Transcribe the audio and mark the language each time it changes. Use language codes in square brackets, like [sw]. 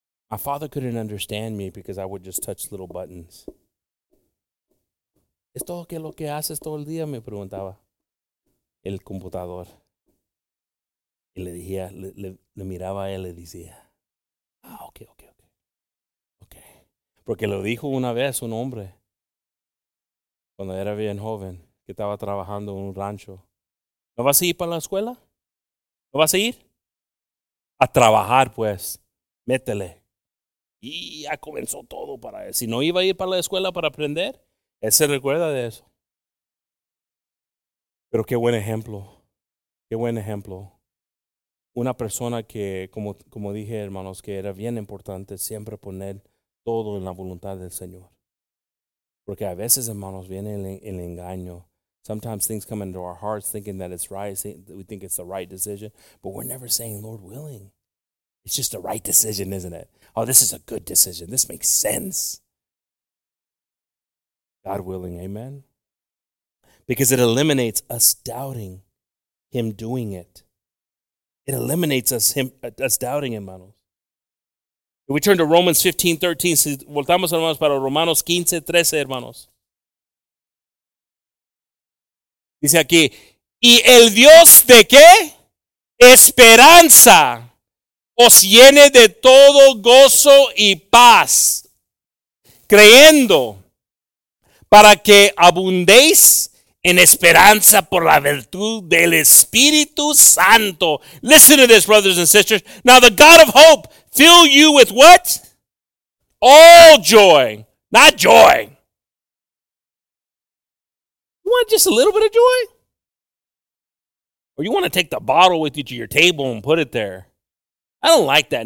[en] My father couldn't understand me because I would just touch little buttons. [es] ¿Esto qué es lo que haces todo el día? Me preguntaba. El computador. Y le decía, le miraba a él y le decía, ah, okay, okay, okay. Okay. Porque lo dijo una vez un hombre, cuando era bien joven, que estaba trabajando en un rancho. ¿No vas a ir para la escuela? ¿No vas a ir? A trabajar, pues. Métele. Y ya comenzó todo para él. Si no iba a ir para la escuela para aprender, él se recuerda de eso. Pero qué buen ejemplo. Qué buen ejemplo. Una persona que, como dije, hermanos, que era bien importante siempre poner todo en la voluntad del Señor. Porque a veces, hermanos, viene el engaño. [en] Sometimes things come into our hearts thinking that it's right, that we think it's the right decision, but we're never saying, Lord willing. It's just the right decision, isn't it? Oh, this is a good decision. This makes sense. God willing, amen? Because it eliminates us doubting Him doing it. It eliminates us doubting, hermanos. If we turn to Romans 15:13, [es] si voltamos, hermanos, para Romanos 15:13, hermanos. Dice aquí, ¿y el Dios de qué? Esperanza os llene de todo gozo y paz, creyendo para que abundéis en esperanza por la virtud del Espíritu Santo. [en] Listen to this, brothers and sisters. Now the God of hope fill you with what? All joy. Not joy. You want just a little bit of joy? Or you want to take the bottle with you to your table and put it there? I don't like that.